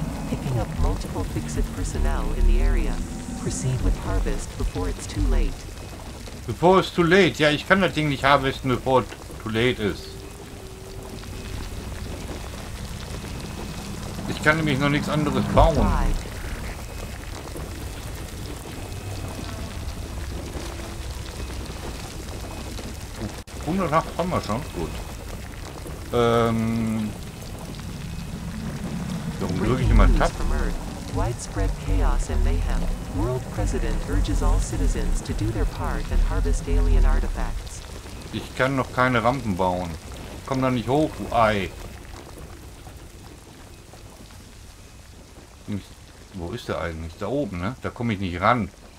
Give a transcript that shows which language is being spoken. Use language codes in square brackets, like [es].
[en] Picking up multiple fix-it personnel in the area. Proceed with harvest before it's too late. [de] Bevor es [en] too late. [de] Ja, ich kann das Ding nicht harvesten, bevor es too late ist. Ich kann nämlich noch nichts anderes bauen. Oh, 108 haben wir schon. Gut. Warum drücke ich immer Tab? [en] Widespread chaos and mayhem. World President urges all citizens to do their part and harvest alien artifacts. [de] Ich kann noch keine Rampen bauen. Komm da nicht hoch, du Ei. Wo ist der eigentlich? Da oben, ne? Da komme ich nicht ran.